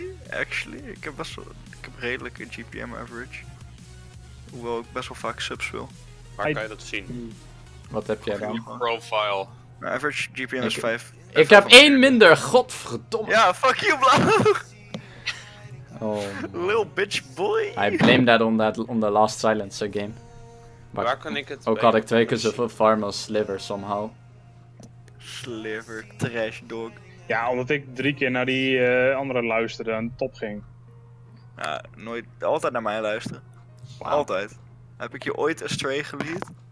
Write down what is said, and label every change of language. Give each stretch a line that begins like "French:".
Dutch: Actually, ik heb best wel, ik heb redelijk een GPM average. Hoewel ik best wel vaak subs wil. Waar kan je dat zien? Wat heb jij dan? Profile. Mijn average GPM is 5. Ik heb 1 minder, godverdomme. Ja, fuck you, blauw. Oh,
English: little bitch boy. I blame that on the Last Silencer game.
Dutch: But waar kan ik het ook bij? Had ik 2 keer zoveel farm als Sliver, somehow. Sliver,
English: trash dog.
Dutch: Ja, omdat ik 3 keer naar die andere luisterde en top ging. Ja, nooit, altijd naar mij luisteren. Wow. Altijd. Heb ik je ooit astray gelied?